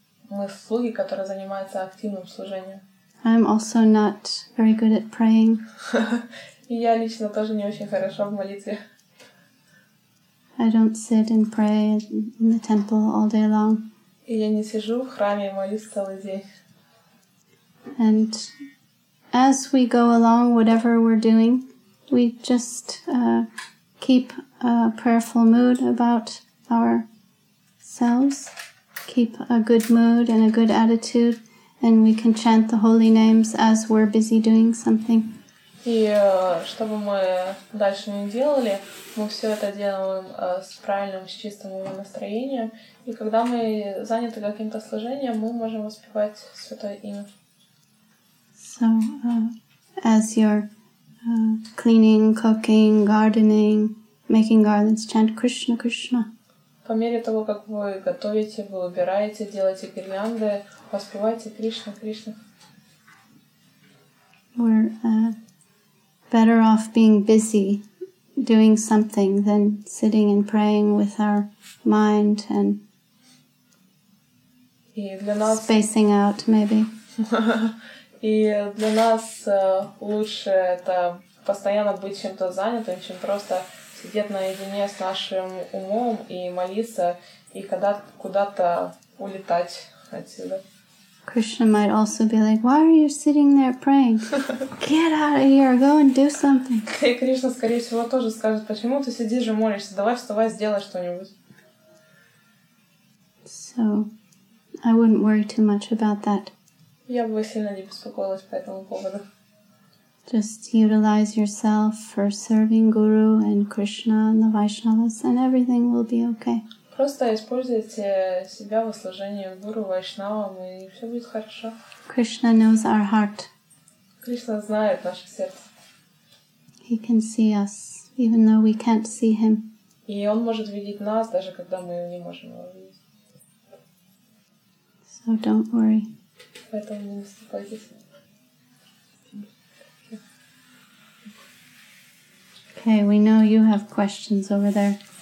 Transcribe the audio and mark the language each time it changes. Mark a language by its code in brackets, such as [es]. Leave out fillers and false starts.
[ru] Мы слуги, которые занимаются активным служением. [en] I'm also not very good at praying. [ru] И я лично тоже не очень хорошо в молитве. [en] I don't sit and pray in the temple all day long. [ru] И я не сижу в храме и молюсь целый день. [en] And as we go along, whatever we're doing, we just keep a prayerful mood about ourselves, keep a good mood and a good attitude, and we can chant the holy names as we're busy doing something. [ru] И что бы мы дальше ни делали, мы все это делаем с правильным, с чистым настроением. И когда мы заняты каким-то служением, мы можем воспевать Святое Имя. [en] So, as you're cleaning, cooking, gardening, making garlands, chant Krishna, Krishna. [ru] По мере того, как вы готовите, вы убираете, делаете гирлянды, воспевайте Кришна, Кришна. [en] We're better off being busy doing something than sitting and praying with our mind and spacing out, maybe. [ru] И для нас лучше это постоянно быть чем-то занятым, чем просто сидеть наедине с нашим умом и молиться, и куда-то улетать отсюда. [en] Krishna might also be like, why are you sitting there praying? Get out of here, go and do something. [ru] И Кришна, скорее всего, тоже скажет, почему ты сидишь и молишься? Давай вставай, сделай что-нибудь. [en] So, I wouldn't worry too much about that. [ru] Я бы сильно не беспокоилась по этому поводу. [en] Just utilize yourself for serving Guru and Krishna and the Vaishnavas and everything will be okay. [ru] Просто используйте себя во служении Гуру, Вайшнавам, и все будет хорошо. [en] Krishna knows our heart. [ru] Кришна знает наше сердце. [en] He can see us, even though we can't see him. [ru] И он может видеть нас, даже когда мы не можем его видеть. [en] So don't worry. [ru] Поэтому не беспокойтесь. [en] Okay, we know you have questions over there.